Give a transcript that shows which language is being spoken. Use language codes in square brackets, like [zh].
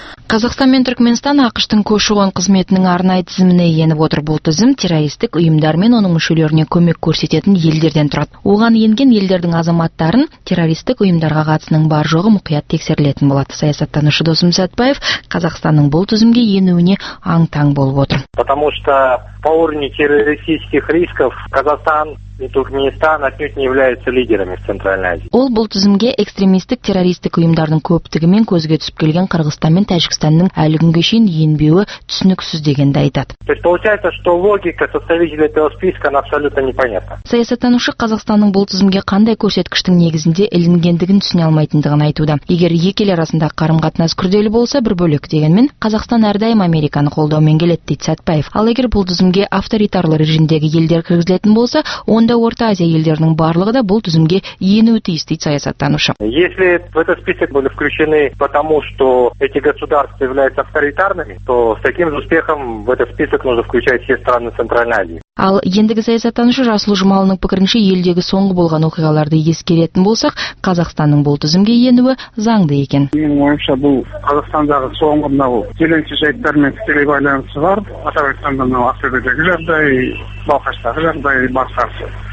[kk] Қазақстан мен Түркменстан ақыштың көші-қон қызметінің арнайы тізіміне еніп отыр. Бұл тізім террористік ұйымдар мен оның мүшелеріне көмек көрсететін елдерден тұрады. Оған енген елдердің азаматтарын террористік ұйымдарға қатысының бар жоғы мұқият тексерілетін болады. Саясаттанушы Досым Сәтбаев Қазақстанның бұл тізімге енуіне аң-таң болып отыр. [ru] Потому что по уровню террористических рисков Казахстан и Туркменистан отнюдь не являются лидерами в Центральной Азии. [kk] Ол бұл тізімге экстремистік террористік ұйымдардың көптігімен көзге түсіп келген Қырғызстан мен Тәжікстанның әлі күнге шейін енбеуі түсініксіз дегенді айтады. [ru] То есть получается, что логика составителей этого списка абсолютно непонятна. [kk] Саясаттанушы Қазақстанның бұл тізімге қандай көрсеткіштің негізінде ілінгендігін түсіне алмайтындығын айтуда. Егер екі ел арасында қарым-қатынас күрделі болса, бір бөлек дегенмен Қазақстан әрдайым Американы қолдаумен келеді, дейді Сәтбаев. Ал егер бұл тізімге авторитарлы режимдегі елдер кіргізілетін болса, онда Орта Азия елдерінің барлығы да бұл тізімге енуі тиіс, дейді саясаттанушы. [ru] Если в этот список были включены потому, что эти государства являются авторитарными, то с таким же успехом в этот список нужно включать все страны Центральной Азии. [kk] Ал ендігі саясаттанушы Жасыл Жұмалының пікірінше елдегі соңғы болған оқиғаларды ескеретін болсақ, Қазақстанның бұл тізімге енуі заңды екен. Менің ойымша бұл Қазақстандағы соңғы мынау келеңсіз жайттармен тікелей байланысы бар. Атап айтқанда мынау Ақтөбедегі жағдай, Балқаштағы жағдай, басқасы.